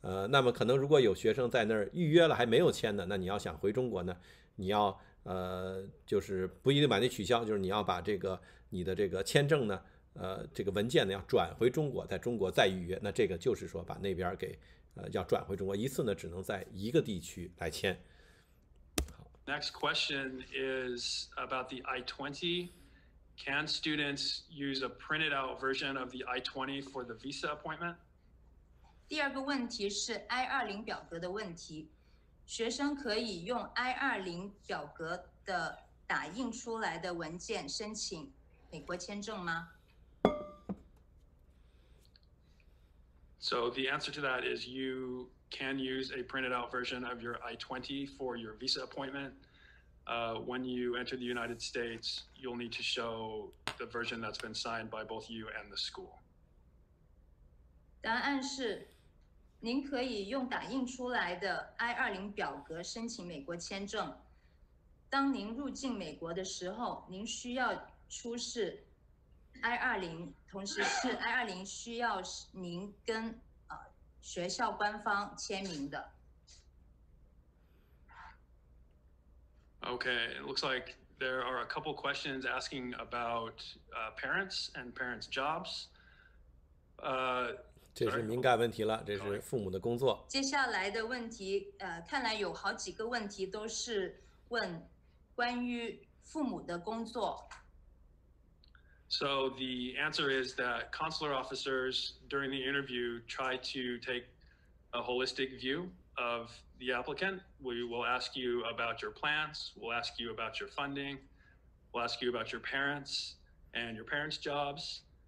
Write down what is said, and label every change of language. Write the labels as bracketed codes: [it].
[zh] 那么可能如果有学生在那儿预约了还没有签呢，那你要想回中国呢，你要就是不一定把那取消，就是你要把这个你的这个签证呢，这个文件呢要转回中国，在中国再预约。那这个就是说把那边给要转回中国，一次呢只能在一个地区来签。 [en] Next question is about the I-20. Can students use a printed out version of the I-20 for the visa appointment? [zh] 第二个问题是 I-20 表格的问题，学生可以用 I-20 表格的打印出来的文件申请美国签证吗？ [en] So the answer to that is you can use a printed out version of your I-20 for your visa appointment. When you enter the United States, you'll need to show the version that's been signed by both you and the school. [zh] 答案是您可以用打印出来的 I-20 表格申请美国签证。当您入境美国的时候，您需要出示 I-20， 同时是 I-20 需要您跟学校官方签名的。 [en] Okay, it looks like There are a couple questions asking about parents and parents' jobs. [zh] 这是敏感问题了，这是父母的工作。接下来的问题，看来有好几个问题都是问关于父母的工作。 [en] So the answer is that consular officers during the interview try to take a holistic view of the applicant. We will ask you about your plans. We'll ask you about your funding. We'll ask you about your parents and your parents' jobs.